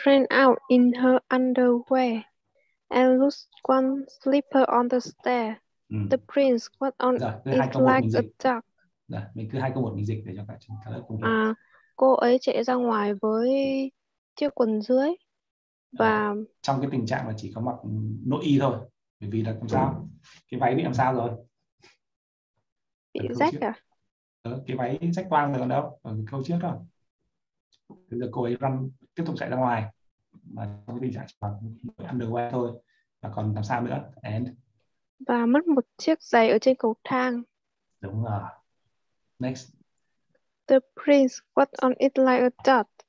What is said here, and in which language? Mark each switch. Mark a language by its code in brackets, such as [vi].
[en] ran out in her underwear and lost one slipper on the stair. The prince got on it like a duck. [vi] Rồi, mình cứ hai câu một mình dịch để cho cả chúng ta cùng hiểu. Cô ấy chạy ra ngoài với chiếc quần dưới và trong cái tình trạng là chỉ có mặc nội y thôi, bởi vì là làm sao cái váy bị làm sao rồi, bị rách à? Cái váy rách toang rồi còn đâu, ở câu trước đó. Bây giờ cô ấy run tiếp tục chạy ra ngoài mà trong cái tình trạng chỉ mặc underwear thôi và còn làm sao nữa. [en] And [vi] và mất một chiếc giày ở trên cầu thang. Đúng rồi. Next. [en] The prince got on it like a dot.